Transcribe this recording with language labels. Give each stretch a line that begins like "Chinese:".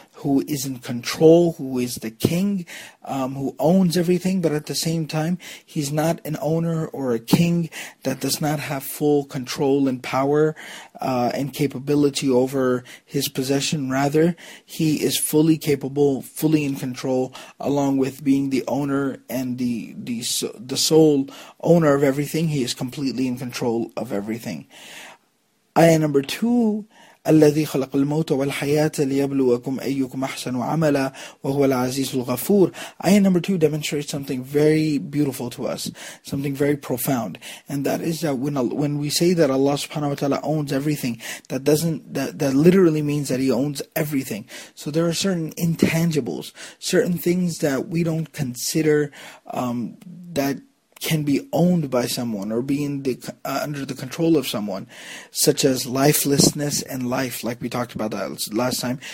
English: who is in control, who is the king, who owns everything, but at the same time, he's not an owner or a king that does not have full control and power and capability over his possession. Rather, he is fully capable, fully in control, along with being the owner and the sole owner of everything. He is completely in control of everything. Ayah number two,
Arabic: الذي خلق الموت والحياة ليبلوكم أيكم أحسن عملا وهو العزيز الغفور.
English: Ayah number two demonstrates something very beautiful to us, something very profound, and that is that when we say that Allah subhanahu wa ta'ala owns everything, that literally means that He owns everything. So there are certain intangibles, certain things that we don't consider that can be owned by someone or be in the under the control of someone, such as lifelessness and life, like we talked about that last time.